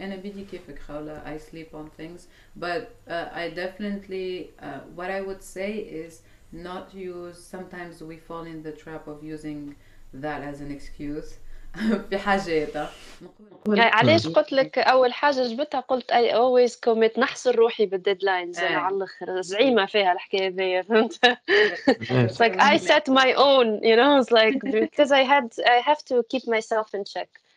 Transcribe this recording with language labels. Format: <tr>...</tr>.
<ar>أنا بدي كيفك خاولة,</ar> <en>I sleep on things. But I definitely, what I would say is not use, sometimes we fall in the trap of using that as an excuse.</en> <ar>يعني علاش قلت لك أول حاجة جبتها قلت</ar> <en>I always commit</en> <ar>نحصر روحي بالديدلاينز على الأخر زعيمة فيها الحكاية ذي فهمت.</ar> <en>It's like I set my own, you know, it's like because I have to keep myself in check.</en>